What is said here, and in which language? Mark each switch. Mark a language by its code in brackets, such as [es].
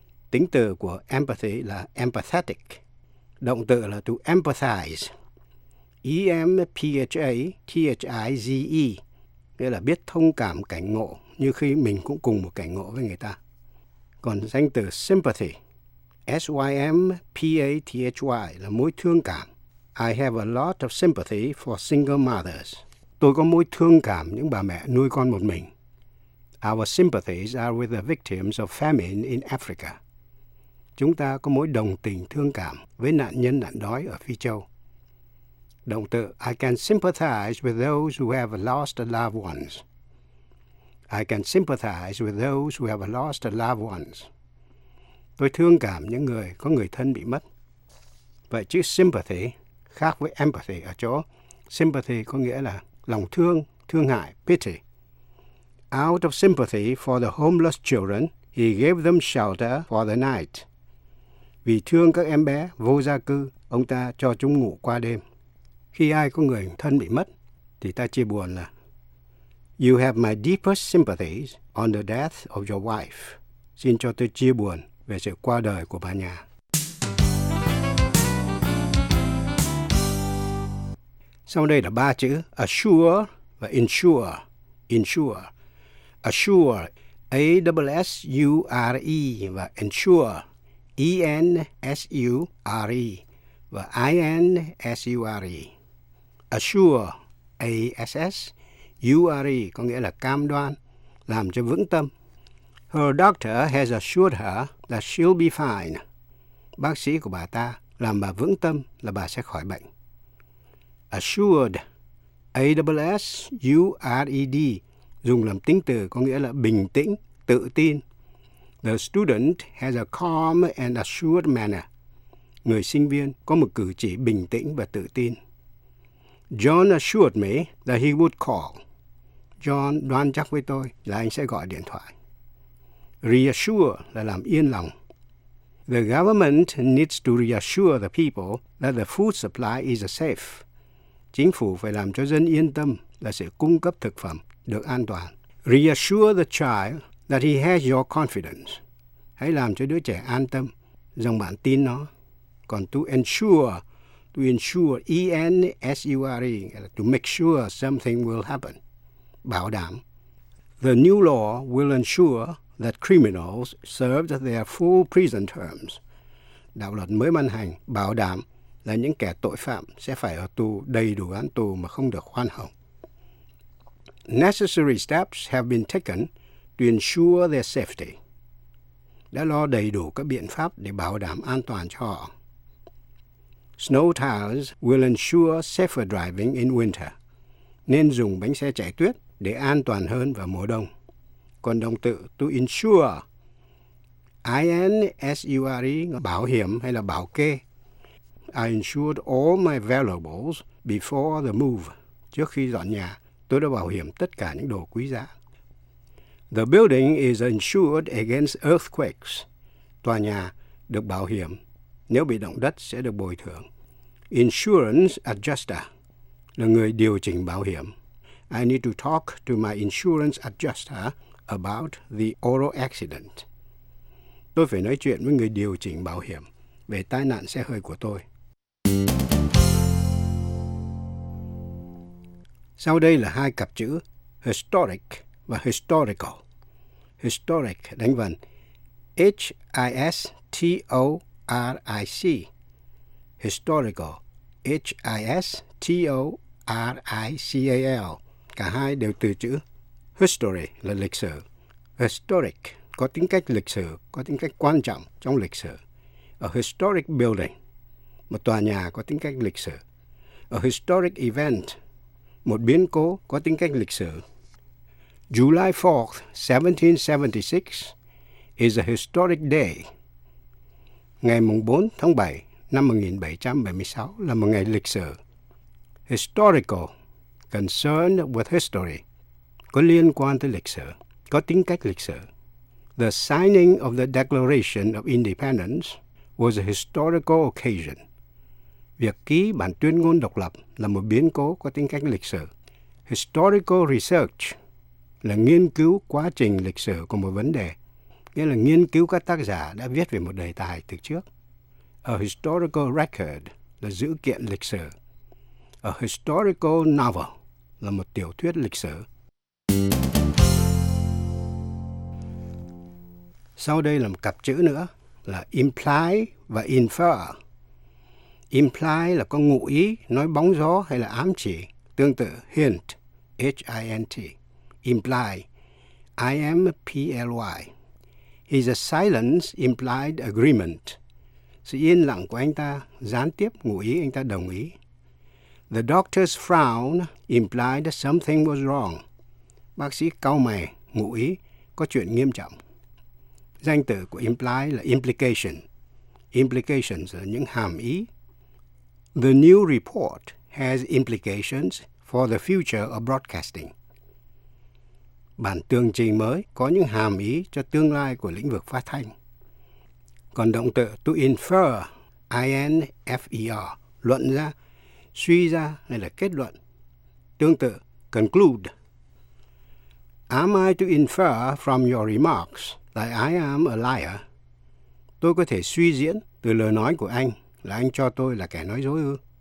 [vi] Tính từ của empathy là empathetic. Động từ là to empathize, E-M-P-H-A-T-H-I-Z-E, nghĩa là biết thông cảm cảnh ngộ như khi mình cũng cùng một cảnh ngộ với người ta. Còn danh từ sympathy, S-Y-M-P-A-T-H-Y, là mối thương cảm. [en] I have a lot of sympathy for single mothers. [vi] Tôi có mối thương cảm những bà mẹ nuôi con một mình. [en] Our sympathies are with the victims of famine in Africa. [vi] Chúng ta có mối đồng tình thương cảm với nạn nhân nạn đói ở Phi Châu. Động từ [en] I can sympathize with those who have lost loved ones. I can sympathize with those who have lost loved ones. [vi] Tôi thương cảm những người có người thân bị mất. Vậy chữ sympathy khác với empathy ở chỗ. Sympathy có nghĩa là lòng thương, thương hại, pity. [en] Out of sympathy for the homeless children, he gave them shelter for the night. [vi] Vì thương các em bé vô gia cư, ông ta cho chúng ngủ qua đêm. Khi ai có người thân bị mất, thì ta chia buồn là [en] You have my deepest sympathies on the death of your wife. [vi] Xin cho tôi chia buồn về sự qua đời của bà nhà. Sau đây là ba chữ assure và insure. Insure. Assure, A-S-S-U-R-E và insure, E-N-S-U-R-E và I-N-S-U-R-E. Assure, A-S-S-U-R-E, có nghĩa là cam đoan, làm cho vững tâm. [en] Her doctor has assured her that she'll be fine. [vi] Bác sĩ của bà ta làm bà vững tâm là bà sẽ khỏi bệnh. Assured, A-S-S-U-R-E-D, dùng làm tính từ có nghĩa là bình tĩnh, tự tin. [en] The student has a calm and assured manner. [vi] Người sinh viên có một cử chỉ bình tĩnh và tự tin. [en] John assured me that he would call. [vi] John đoan chắc với tôi là anh sẽ gọi điện thoại. Reassure là làm yên lòng. [en] The government needs to reassure the people that the food supply is safe. [vi] Chính phủ phải làm cho dân yên tâm là sẽ cung cấp thực phẩm được an toàn. [en] Reassure the child that he has your confidence. [vi] Hãy làm cho đứa trẻ an tâm rằng bạn tin nó. [en] Còn to ensure, E-N-S-U-R-E, to make sure something will happen. [vi] Bảo đảm. [en] The new law will ensure that criminals served their full prison terms. [vi] Đạo luật mới ban hành bảo đảm là những kẻ tội phạm sẽ phải ở tù đầy đủ án tù mà không được khoan hồng. [en] Necessary steps have been taken to ensure their safety. [vi] Đã lo đầy đủ các biện pháp để bảo đảm an toàn cho họ. [en] Snow tires will ensure safer driving in winter. [vi] Nên dùng bánh xe chạy tuyết để an toàn hơn vào mùa đông. Còn động từ to insure, I-N-S-U-R-E, bảo hiểm hay là bảo kê. [en] I insured all my valuables before the move. [vi] Trước khi dọn nhà, tôi đã bảo hiểm tất cả những đồ quý giá. [en] The building is insured against earthquakes. [vi] Tòa nhà được bảo hiểm, nếu bị động đất sẽ được bồi thường. Insurance adjuster là người điều chỉnh bảo hiểm. [en] I need to talk to my insurance adjuster about the auto accident. [vi] Tôi phải nói chuyện với người điều chỉnh bảo hiểm về tai nạn xe hơi của tôi. Sau đây là hai cặp chữ historic và historical. Historic đánh vần H-I-S-T-O-R-I-C. Historical, H-I-S-T-O-R-I-C-A-L. Cả hai đều từ chữ history là lịch sử. Historic có tính cách lịch sử, có tính cách quan trọng trong lịch sử. [en] A historic building, [vi] một tòa nhà có tính cách lịch sử. [en] A historic event, [vi] một biến cố có tính cách lịch sử. [en] July 4th, 1776 is a historic day. [vi] Ngày 4 tháng 7 năm 1776 là một ngày lịch sử. Historical, [en] concerned with history, [vi] có liên quan tới lịch sử, có tính cách lịch sử. [en] The signing of the Declaration of Independence was a historical occasion. [vi] Việc ký bản tuyên ngôn độc lập là một biến cố có tính cách lịch sử. Historical research là nghiên cứu quá trình lịch sử của một vấn đề, nghĩa là nghiên cứu các tác giả đã viết về một đề tài từ trước. [en] A historical record [vi] là dữ kiện lịch sử. [en] A historical novel [vi] là một tiểu thuyết lịch sử. Sau đây là một cặp chữ nữa là imply và infer. Imply là có ngụ ý, nói bóng gió hay là ám chỉ, tương tự hint, H-I-N-T. [en] Imply, I-M-P-L-Y. His silence implied agreement. [vi] Sự yên lặng của anh ta gián tiếp ngụ ý anh ta đồng ý. [en] The doctor's frown implied something was wrong. [vi] Bác sĩ cau mày ngụ ý có chuyện nghiêm trọng. Danh từ của imply là implication. Implications là những hàm ý. The new report has implications for the future of broadcasting. Bản tường trình mới có những hàm ý cho tương lai của lĩnh vực phát thanh. Còn động từ to infer, I-N-F-E-R, luận ra, suy ra hay là kết luận. Tương tự, conclude. [en] Am I to infer from your remarks that I am a liar? [vi] Tôi có thể suy diễn từ lời nói của anh là anh cho tôi là kẻ nói dối ư?